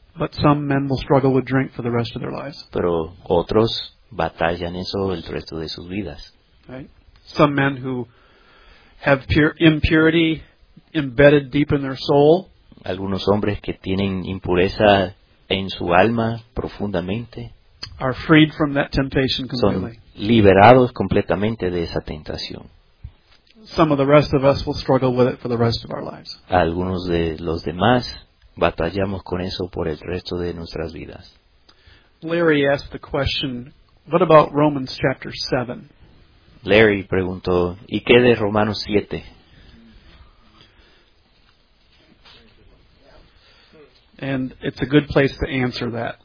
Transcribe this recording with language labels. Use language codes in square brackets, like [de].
[en] But some men will struggle with drink for the rest of their lives. [es] Pero otros batallan eso el resto de sus vidas. [en] Right. Some men who have impurity embedded deep in their soul. [es] Algunos hombres que tienen impureza en su alma profundamente. [en] Are freed from that temptation completely. [es] Son liberados completamente de esa tentación. [en] Some of the rest of us will struggle with it for the rest of our lives. [es] Algunos de los demás batallamos con eso por el resto de nuestras vidas. [en] Larry asked the question, what about Romans chapter 7? [es] Larry preguntó, ¿y qué de Romanos 7? [en] And it's a good place to answer that.